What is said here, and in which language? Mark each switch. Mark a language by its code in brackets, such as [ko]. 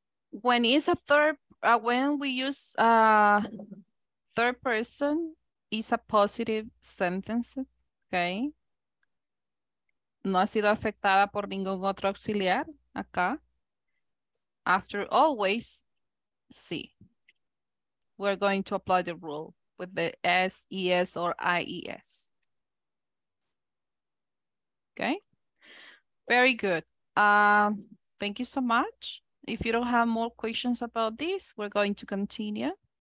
[en] When is a third, when we use a third person, is a positive sentence, okay? [es] No ha sido afectada por ningún otro auxiliar acá. [en] After always, sí. We're going to apply the rule with the S, ES, or IES. Okay? Very good. Thank you so much. If you don't have more questions about this, we're going to continue.